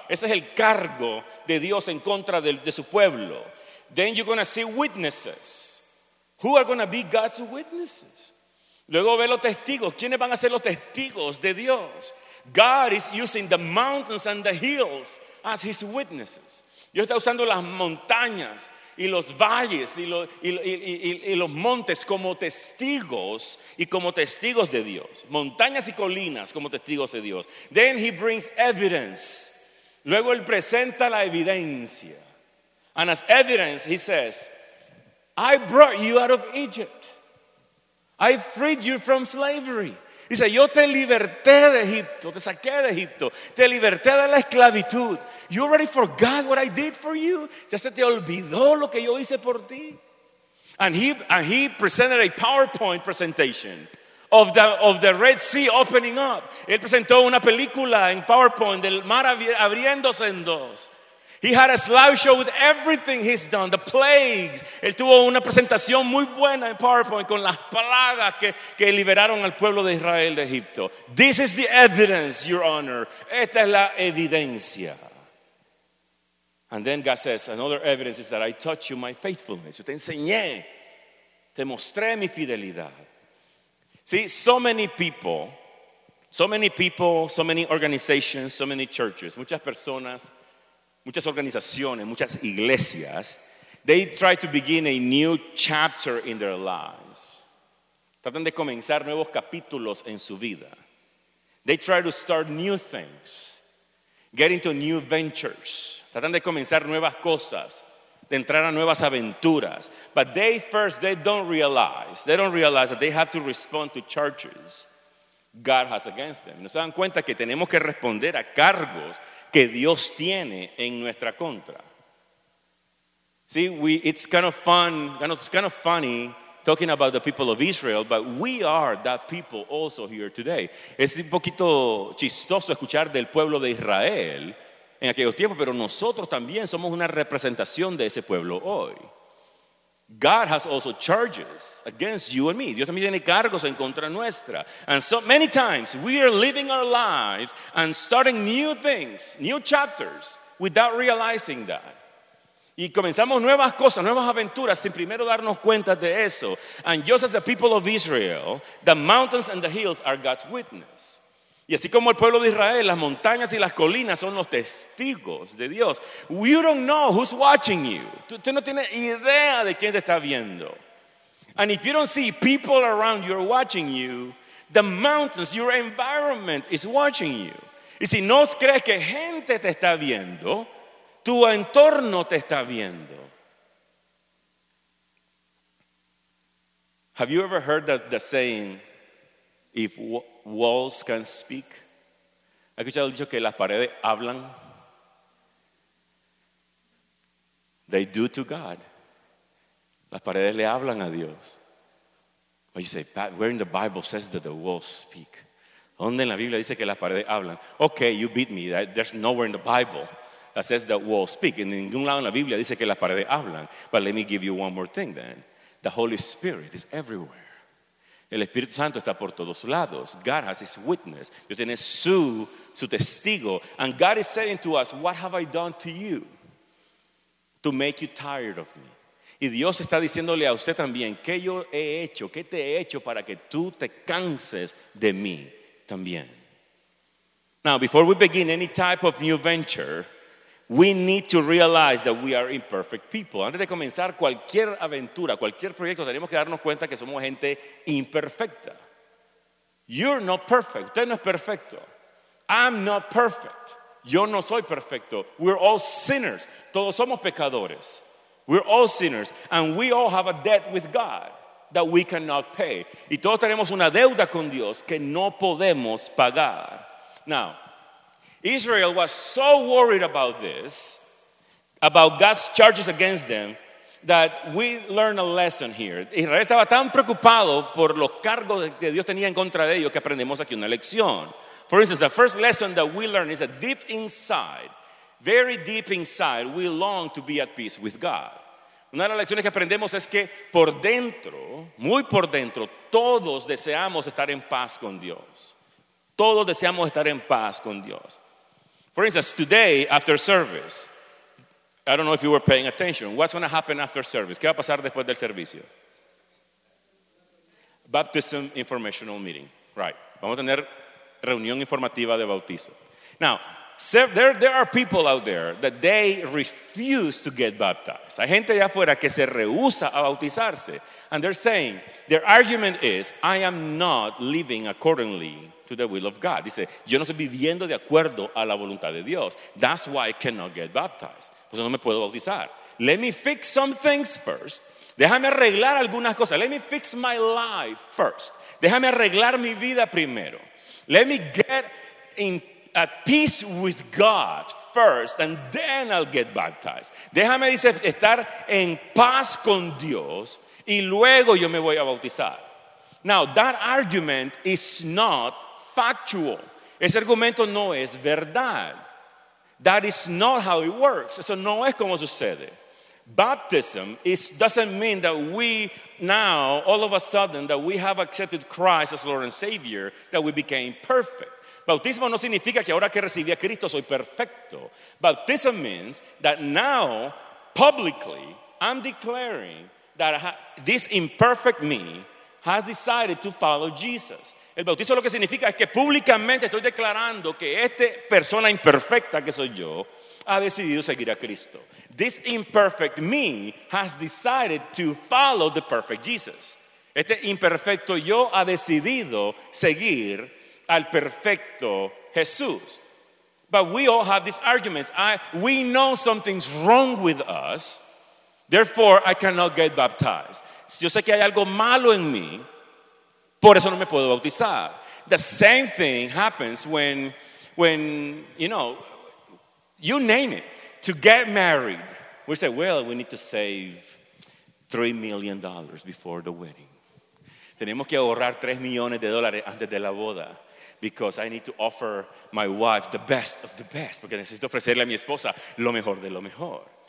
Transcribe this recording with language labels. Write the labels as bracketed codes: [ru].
[es] Ese es el cargo de Dios en contra de su pueblo. [en] Then you're going to see witnesses. Who are going to be God's witnesses? [es] Luego ve los testigos. ¿Quiénes van a ser los testigos de Dios? [en] God is using the mountains and the hills as his witnesses. [es] Dios está usando las montañas y los valles y los montes como testigos de Dios. Montañas y colinas como testigos de Dios. [en] Then he brings evidence. [es] Luego él presenta la evidencia. [en] And as evidence, he says, I brought you out of Egypt. I freed you from slavery. [es] Dice, yo te liberté de Egipto, te saqué de Egipto, te liberté de la esclavitud. [en] You already forgot what I did for you. [es] Ya se te olvidó lo que yo hice por ti. [en] And he presented a PowerPoint presentation of the Red Sea opening up. [es] Él presentó una película en PowerPoint del mar abriéndose en dos. [en] He had a slideshow with everything he's done, the plagues. [es] Él tuvo una presentación muy buena en PowerPoint con las plagas que liberaron al pueblo de Israel de Egipto. [en] This is the evidence, Your Honor. [es] Esta es la evidencia. [en] And then God says, another evidence is that I taught you my faithfulness. [es] Yo te enseñé, te mostré mi fidelidad. [en] See, so many organizations, so many churches, [es] muchas personas, muchas organizaciones, muchas iglesias, [en] they try to begin a new chapter in their lives. [es] Tratan de comenzar nuevos capítulos en su vida. [en] They try to start new things, get into new ventures. [es] Tratan de comenzar nuevas cosas, de entrar a nuevas aventuras. [en] But they don't realize that they have to respond to charges God has against them. [es] No se dan cuenta que tenemos que responder a cargos que Dios tiene en nuestra contra. [en] See, it's kind of funny talking about the people of Israel, but we are that people also here today. [es] Es un poquito chistoso escuchar del pueblo de Israel en aquellos tiempos, pero nosotros también somos una representación de ese pueblo hoy. [en] God has also charges against you and me. [es] Dios también tiene cargos en contra nuestra. [en] And so many times we are living our lives and starting new things, new chapters, without realizing that. [es] Y comenzamos nuevas cosas, nuevas aventuras, sin primero darnos cuenta de eso. [en] And just as the people of Israel, the mountains and the hills are God's witness. [es] Y así como el pueblo de Israel, las montañas y las colinas son los testigos de Dios. [en] You don't know who's watching you. [es] Tú no tienes idea de quién te está viendo. [en] And if you don't see people around you watching you, the mountains, your environment is watching you. [es] Y si no crees que gente te está viendo, tu entorno te está viendo. [en] Have you ever heard the saying, if walls can speak? [es] ¿Ha escuchado el dicho que las paredes hablan? [en] They do to God. [es] Las paredes le hablan a Dios. [en] But you say, Pat, where in the Bible says that the walls speak? [es] ¿Dónde en la Biblia dice que las paredes hablan? [en] Okay, you beat me. There's nowhere in the Bible that says that walls speak. [es] En ningún lado en la Biblia dice que las paredes hablan. [en] But let me give you one more thing then. The Holy Spirit is everywhere. [es] El Espíritu Santo está por todos lados. [en] God has his witness. [es] Dios tiene su testigo. [en] And God is saying to us, what have I done to you to make you tired of me? [es] Y Dios está diciéndole a usted también, ¿qué yo he hecho? ¿Qué te he hecho para que tú te canses de mí también? [en] Now, before we begin any type of new venture, we need to realize that we are imperfect people. [es] Antes de comenzar cualquier aventura, cualquier proyecto, tenemos que darnos cuenta que somos gente imperfecta. [en] You're not perfect. [es] Usted no es perfecto. [en] I'm not perfect. [es] Yo no soy perfecto. [en] We're all sinners. [es] Todos somos pecadores. [en] We're all sinners. And we all have a debt with God that we cannot pay. [es] Y todos tenemos una deuda con Dios que no podemos pagar. [en] Now, Israel was so worried about this, about God's charges against them, that we learn a lesson here. [es] Israel estaba tan preocupado por los cargos que Dios tenía en contra de ellos que aprendemos aquí una lección. [en] For instance, the first lesson that we learn is that deep inside, very deep inside, we long to be at peace with God. [es] Una de las lecciones que aprendemos es que por dentro, muy por dentro, todos deseamos estar en paz con Dios. Todos deseamos estar en paz con Dios. [en] For instance, today after service, I don't know if you were paying attention. What's going to happen after service? [es] ¿Qué va a pasar después del servicio? [en] Baptism informational meeting. Right. [es] Vamos a tener reunión informativa de bautizo. [en] Now, there are people out there that they refuse to get baptized. [es] Hay gente allá afuera que se rehúsa a bautizarse. [en] And they're saying, their argument is, I am not living accordingly to the will of God. [es] Dice, yo no estoy viviendo de acuerdo a la voluntad de Dios. [en] That's why I cannot get baptized. [es] Por eso no me puedo bautizar. [en] Let me fix some things first. [es] Déjame arreglar algunas cosas. [en] Let me fix my life first. [es] Déjame arreglar mi vida primero. [en] Let me get in at peace with God first, and then I'll get baptized. [es] Déjame, dice, estar en paz con Dios y luego yo me voy a bautizar. [en] Now, that argument is not factual. [es] Ese argumento no es verdad. [en] That is not how it works. [es] Eso no es como sucede. [en] Baptism doesn't mean that we now, all of a sudden, that we have accepted Christ as Lord and Savior, that we became perfect. [es] Bautismo no significa que ahora que recibí a Cristo soy perfecto. [en] Baptism means that now, publicly, I'm declaring that this imperfect me has decided to follow Jesus. [es] El bautismo lo que significa es que públicamente estoy declarando que esta persona imperfecta que soy yo ha decidido seguir a Cristo. [en] This imperfect me has decided to follow the perfect Jesus. [es] Este imperfecto yo ha decidido seguir al perfecto Jesús. [en] But we all have these arguments. We know something's wrong with us, therefore I cannot get baptized. [es] Si yo sé que hay algo malo en mí, por eso no me puedo bautizar. [en] The same thing happens when you know, you name it. To get married, we say, well, we need to save $3 million before the wedding. [es] Tenemos que ahorrar $3 millones antes de la boda. [en] Because I need to offer my wife the best of the best. [es] Porque necesito ofrecerle a mi esposa lo mejor de lo mejor.